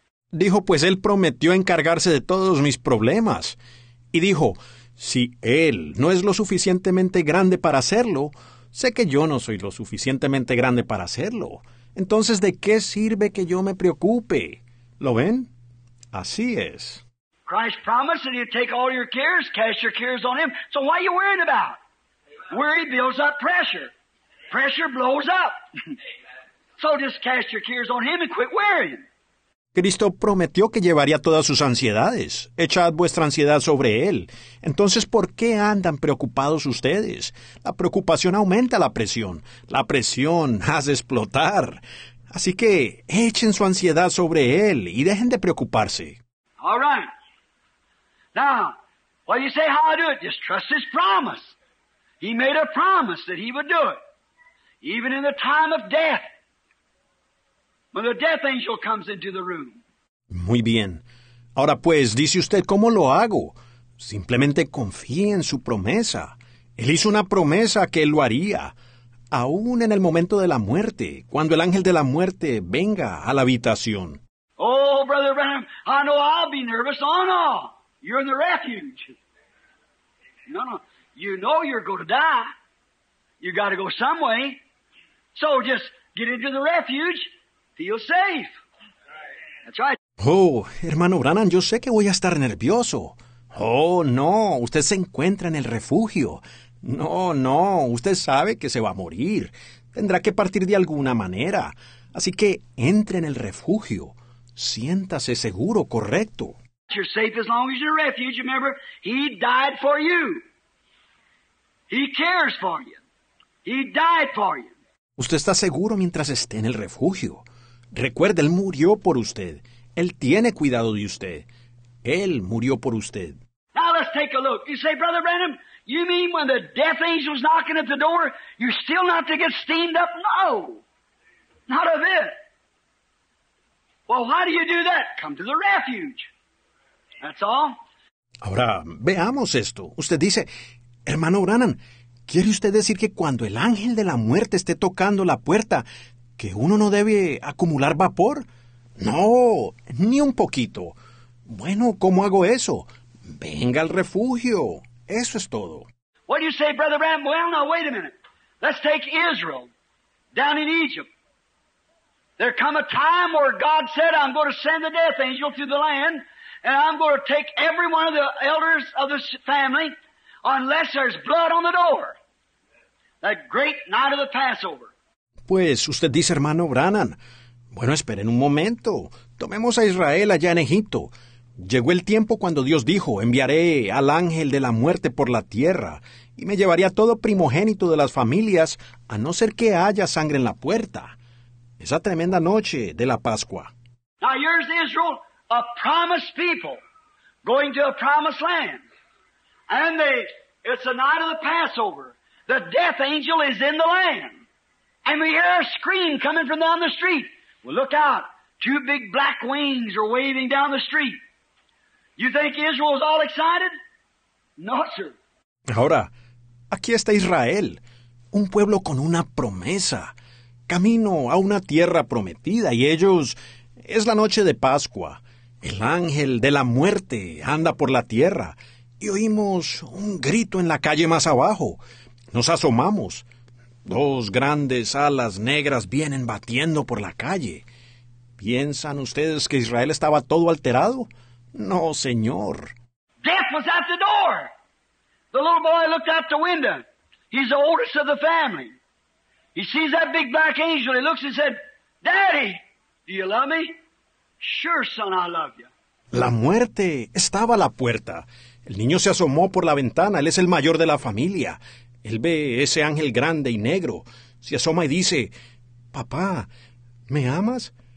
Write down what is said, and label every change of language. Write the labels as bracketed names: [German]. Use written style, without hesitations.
[Spanish] Dijo, pues Él prometió encargarse de todos mis problemas. Y dijo, si Él no es lo suficientemente grande para hacerlo, sé que yo no soy lo suficientemente grande para hacerlo. Entonces, ¿de qué sirve que yo me preocupe? ¿Lo ven? Así es. [English] Christ promised that He'd take all your cares, cast your cares on Him. So why are you worrying about? Worry builds up pressure. Pressure blows up. So just cast your cares on Him and quit worrying. [Spanish] Cristo prometió que llevaría todas sus ansiedades. Echad vuestra ansiedad sobre Él. Entonces, ¿por qué andan preocupados ustedes? La preocupación aumenta la presión. La presión hace explotar. Así que, echen su ansiedad sobre Él y dejen de preocuparse. [English] All right. Now, what do you say, how I do it? Just trust His promise. He made a promise that He would do it. Even in the time of death. When the death angel comes into the room. [Spanish] Muy bien. Ahora pues, dice usted, ¿cómo lo hago? Simplemente confíe en su promesa. Él hizo una promesa que Él lo haría. Aún en el momento de la muerte, cuando el ángel de la muerte venga a la habitación. [English] Oh, Brother Branham, I know I'll be nervous. Oh, no. You're in the refuge. No, no. You know you're going to die. You got to go some way. So just get into the refuge. Feel safe. That's right. [Spanish] Oh, hermano Branham, yo sé que voy a estar nervioso. Oh, no. Usted se encuentra en el refugio. No, no. Usted sabe que se va a morir. Tendrá que partir de alguna manera. Así que entre en el refugio. Siéntase seguro, correcto. [English] You're safe as long as you're a refuge. Remember, he died for you. He cares for you. He died for you. [Spanish] Usted está seguro mientras esté en el refugio. Recuerde, él murió por usted. Él tiene cuidado de usted. Él murió por usted. [English] Now let's take a look. You say, Brother Branham, you mean when the death angel's knocking at the door, you're still not to get steamed up? No. Not a bit. Well, why do you do that? Come to the refuge. That's all. [Spanish] Ahora, veamos esto. Usted dice, hermano Branham, ¿quiere usted decir que cuando el ángel de la muerte esté tocando la puerta, que uno no debe acumular vapor? No, ni un poquito. Bueno, ¿cómo hago eso? Venga al refugio. Eso es todo. [English] What do you say, Brother Branham? Well, now, wait a minute. Let's take Israel down in Egypt. There come a time where God said, I'm going to send the death angel through the land, and I'm going to take every one of the elders of this family unless there's blood on the door. That great night of the Passover. [Spanish] Pues usted dice, hermano Branham, bueno, esperen un momento. Tomemos a Israel allá en Egipto. Llegó el tiempo cuando Dios dijo, enviaré al ángel de la muerte por la tierra y me llevaré a todo primogénito de las familias a no ser que haya sangre en la puerta. Esa tremenda noche de la Pascua. [English] Now here's Israel, a promised people, going to a promised land. And it's the night of the Passover. The death angel is in the land. And we hear a scream coming from down the street. Well, look out. Two big black wings are waving down the street. You think Israel is all excited? No, sir. [Spanish] Ahora, aquí está Israel, un pueblo con una promesa. Camino a una tierra prometida y ellos, es la noche de Pascua. El ángel de la muerte anda por la tierra y oímos un grito en la calle más abajo. Nos asomamos. Dos grandes alas negras vienen batiendo por la calle. ¿Piensan ustedes que Israel estaba todo alterado? No, señor. [English] Death was at the door. The little boy looked out the window. He's the oldest of the family. He sees that big black angel. He looks and said, Daddy, do you love me? Sure, son, I love you. [Spanish] La muerte estaba a la puerta. El niño se asomó por la ventana. Él es el mayor de la familia. Él ve ese ángel grande y negro. Se asoma y dice, Papá, ¿me amas?